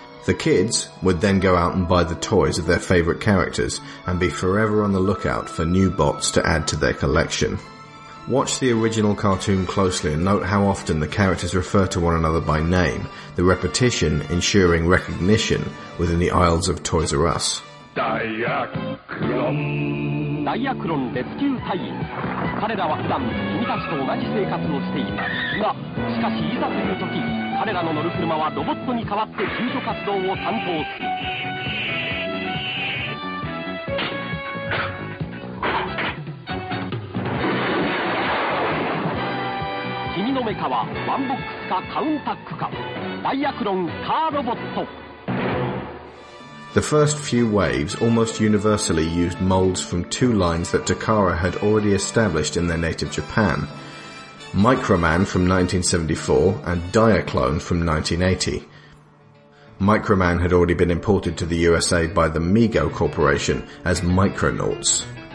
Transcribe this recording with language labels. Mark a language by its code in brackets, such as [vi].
[en] The kids would then go out and buy the toys of their favourite characters and be forever on the lookout for new bots to add to their collection. Watch the original cartoon closely and note how often the characters refer to one another by name, the repetition ensuring recognition within the aisles of Toys R Us. Diacron. Diacron Rescue 隊. [ja] 彼らは普段、君たちと同じ生活をしています。が、しかしいざという時、彼らの乗る車はロボットに代わって救助活動を担当する。君のメカはワンボックスかカウンタックか。ダイアクロンカーロボット。 [en] The first few waves almost universally used molds from two lines that Takara had already established in their native Japan. Microman from 1974 and Diaclone from 1980. Microman had already been imported to the USA by the Mego Corporation as Micronauts.